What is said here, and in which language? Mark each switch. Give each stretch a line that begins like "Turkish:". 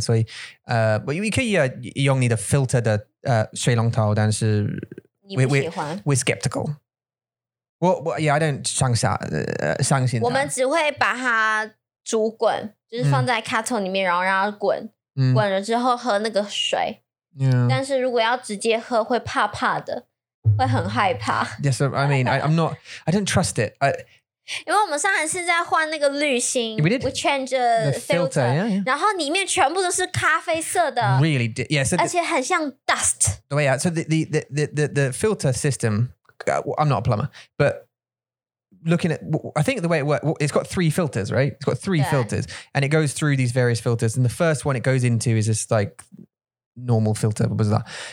English: So, but we can use the filter the Shui Long Tao, but we're skeptical. Well, yeah, I don't trust it. We just put it in the kettle, just put it in the kettle.
Chinese: 滚了之后喝那个水 但是如果要直接喝会怕怕的 会很害怕
English: Yes, I mean, I don't trust it
Chinese: 因为我们上一次在换那个滤芯
English: We did We changed the filter yeah, yeah.
Chinese: 然后里面全部都是咖啡色的
English: Really did yeah, so
Chinese: 而且很像 dust
English: Oh yeah, so the filter system I'm not a plumber But looking at, I think the way it works, it's got three filters, right? It's got three filters and it goes through these various filters. And the first one it goes into is this like normal filter. What was that?